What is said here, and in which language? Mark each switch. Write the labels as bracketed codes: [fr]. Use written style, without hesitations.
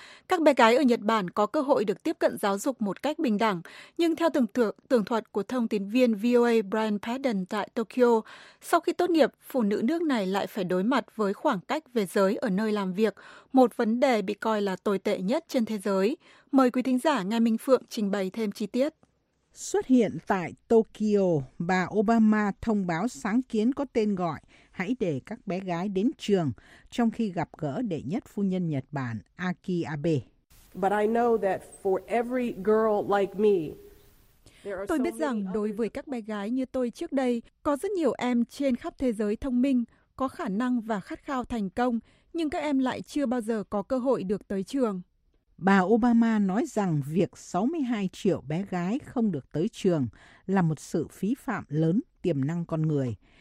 [vi] Các bé gái ở Nhật Bản có cơ hội được tiếp cận giáo dục một cách bình đẳng, nhưng theo tường thuật của thông tín viên VOA Brian Patton tại Tokyo, sau khi tốt nghiệp, phụ nữ nước này lại phải đối mặt với khoảng cách về giới ở nơi làm việc, một vấn đề bị coi là tồi tệ nhất trên thế giới. Mời quý thính giả Nga Minh Phượng trình bày thêm chi tiết. Xuất hiện tại Tokyo, bà Obama thông báo sáng kiến có tên gọi Hãy để các bé gái đến trường, trong khi gặp gỡ đệ nhất phu nhân Nhật Bản Aki Abe. [en] But I know that for every girl like me, [vi] tôi biết rằng đối với các bé gái như tôi trước đây, có rất nhiều em trên khắp thế giới thông minh, có khả năng và khát khao thành công, nhưng các em lại chưa bao giờ có cơ hội được tới trường. Bà Obama nói rằng việc 62 triệu bé gái không được tới trường là một sự phí phạm lớn tiềm năng con người.